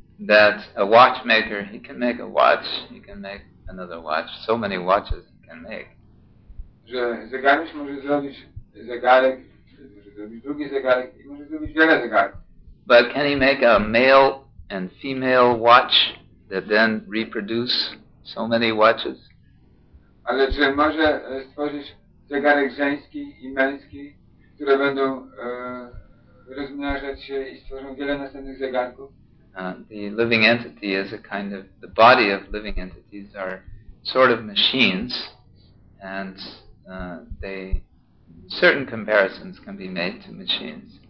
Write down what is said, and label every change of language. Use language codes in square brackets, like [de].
[en] That a watchmaker, he can make a watch, he can make another watch, so many watches he can make. [pl] Że zegarmistrz może zrobić zegarek, może zrobić drugi zegarek i może zrobić wiele zegarek. [en] But can he make a male and female watch that then reproduce so many watches? [pl] Ale czy może stworzyć zegarek żeński i męski, które będą rozmnażać się i stworzą wiele następnych zegarków? [en] The living entity is a kind of, the body of living entities are sort of machines, and they, certain comparisons can be made to machines.